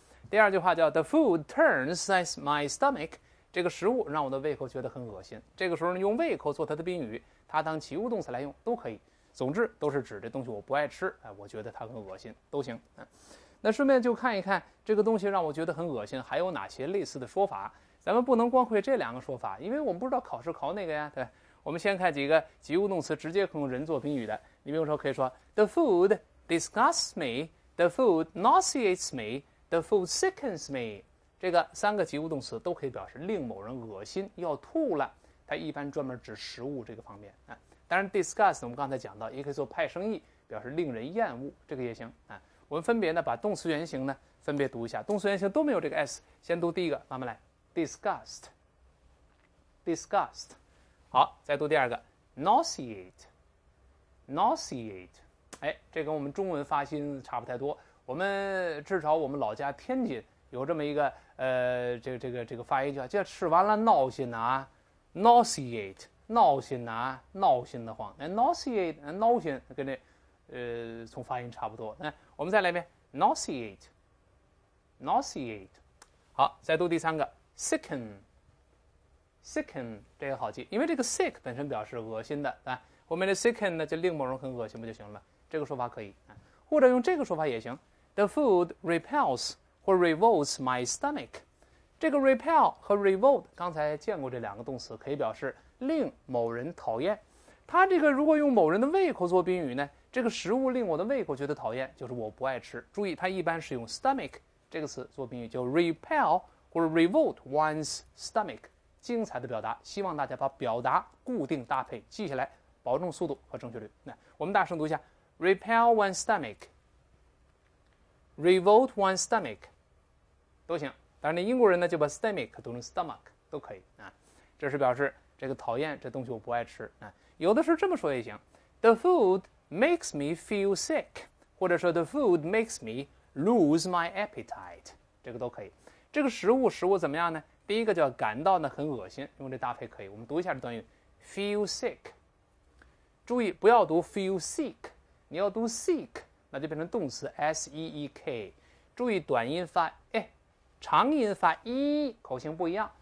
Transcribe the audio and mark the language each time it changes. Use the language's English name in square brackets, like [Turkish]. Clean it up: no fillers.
[Chinese] 第二句话叫 [English] the food turns my stomach， [Chinese] 这个食物让我的胃口觉得很恶心，这个时候用胃口做它的宾语，它当及物动词来用都可以，总之都是指这东西我不爱吃，我觉得它很恶心都行。那顺便就看一看这个东西让我觉得很恶心还有哪些类似的说法，咱们不能光会这两个说法，因为我们不知道考试考哪个呀，对，我们先看几个及物动词直接可用人做宾语的。你比如说可以说 [English] The food disgusts me, The food nauseates me, The food sickens me。 [Chinese] 这个三个及物动词都可以表示令某人恶心要吐了，它一般专门指食物这个方面啊。当然 disgust 我们刚才讲到也可以做派生意，表示令人厌恶，这个也行啊。我们分别呢把动词原形呢分别读一下，动词原形都没有这个 s， 先读第一个，慢慢来， disgust， disgust。好，再读第二个， nauseate， nauseate。哎，这跟我们中文发音差不太多，我们至少我们老家天津有这么一个这个发音，叫吃完了闹心啊， nauseate， 闹心啊，闹心的慌。 nauseate， 闹心跟这从发音差不多。来，我们再来一遍 nauseate， nauseate。好，再读第三个 sicken， sicken。这个好记，因为这个 sick 本身表示恶心的，对吧？后面的 sicken 呢就令某人很恶心不就行了，这个说法可以。或者用这个说法也行， [English] the food repels or revolts my stomach。 [Chinese] 这个 repel 和 revolt 刚才见过这两个动词，可以表示令某人讨厌。他这个如果用某人的胃口做宾语呢，这个食物令我的胃口觉得讨厌，就是我不爱吃。注意它一般是用 stomach 这个词做宾语，就 repel 或者 [English] revolt one's stomach。 [Chinese] 精彩的表达，希望大家把表达固定搭配记下来，保证速度和正确率。那我们大声读一下， [English] repel one's stomach， revolt one's stomach [Chinese] 都行。当然那英国人呢就把 stomach 读成 stomach 都可以啊。这是表示这个讨厌，这东西我不爱吃啊。有的时候这么说也行， [English] the food makes me feel sick， [Chinese] 或者说 [English] the food makes me lose my appetite， [Chinese] 这个都可以。这个食物使我怎么样呢？第一个叫感到呢很恶心，用这搭配可以。我们读一下这段语 feel sick， 注意不要读 feel sick， 你要读 sick， 那就变成动词 s-e-e-k， 注意短音发 e， 长音发 e， 口型不一样。